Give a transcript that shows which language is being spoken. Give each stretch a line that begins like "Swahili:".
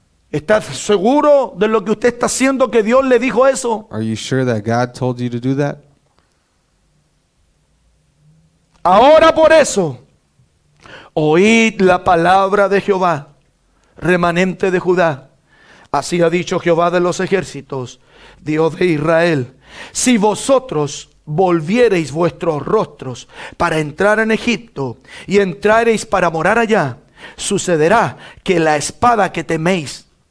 Spanish: ¿Estás seguro de lo que usted está haciendo, que Dios le dijo eso?
English: Are you sure that God told you to do that?
Spanish: Ahora por eso, oíd la palabra de Jehová, remanente de Judá. Así ha dicho Jehová de los ejércitos, Dios de Israel. Si vosotros volviereis vuestros rostros para entrar en Egipto y entrareis para morar allá, sucederá que la espada que teméis